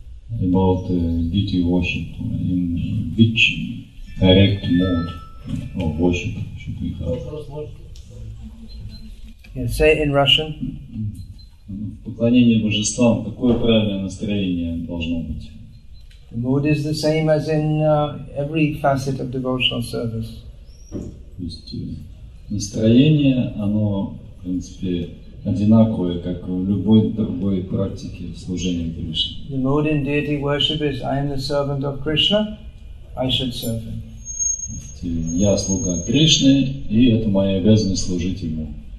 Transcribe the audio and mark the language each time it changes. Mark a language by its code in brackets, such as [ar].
[en] About duty worship, in which direct mode of worship should we have? Yeah, say it in Russian. [ru] Поклонение божествам, какое правильное настроение должно быть? [en] The mood is the same as in every facet of devotional service. [ru] То есть настроение, оно, в принципе, одинаковое, как в любой другой практике служения Кришне. [en] The mood in deity worship is, I am the servant of Krishna, I should serve him. [ru] То есть я слуга Кришны, и это моя обязанность служить ему.